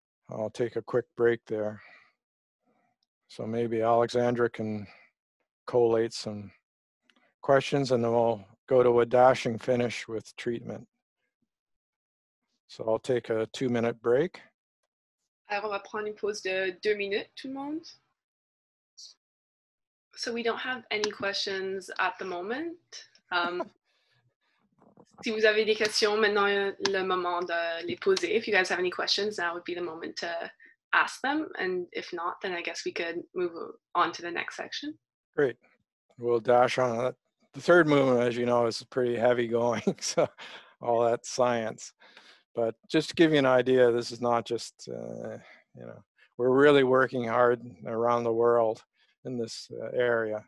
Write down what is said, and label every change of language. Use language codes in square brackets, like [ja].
[en] I'll take a quick break there. So maybe Alexandra can collate some questions and then we'll go to a dashing finish with treatment. So I'll take a 2 minute break. [fr] Alors, on va prendre une pause de 2 minutes, tout le monde. [en] So we don't have any questions at the moment. [fr] Si vous avez des questions, maintenant est le moment de les poser. [en] If you guys have any questions, now would be the moment to ask them. And if not, then I guess we could move on to the next section. Great. We'll dash on. The third movement, as you know, is pretty heavy going. So all that science. But just to give you an idea, this is not just, you know, we're really working hard around the world in this area.